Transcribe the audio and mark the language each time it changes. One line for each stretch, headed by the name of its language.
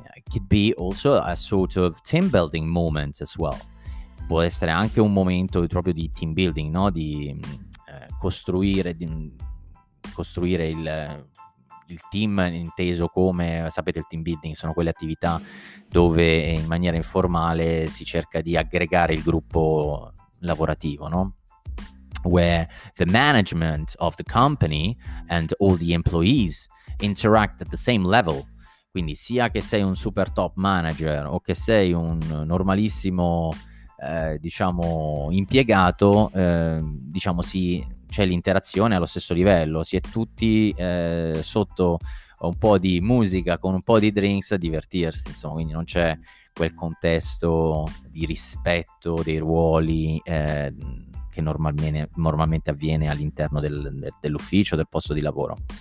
English: Could be also a sort of team building moment as well.
Italian: Può essere anche un momento proprio di team building, no? Di costruire il team, inteso come, sapete, il team building sono quelle attività dove in maniera informale si cerca di aggregare il gruppo lavorativo, no?
English: Where the management of the company and all the employees interact at the same level.
Italian: Quindi sia che sei un super top manager o che sei un normalissimo, diciamo, impiegato, diciamo, sì, c'è l'interazione allo stesso livello, si è tutti sotto un po' di musica con un po' di drinks a divertirsi, insomma, quindi non c'è quel contesto di rispetto dei ruoli che normalmente avviene all'interno dell'ufficio, del posto di lavoro.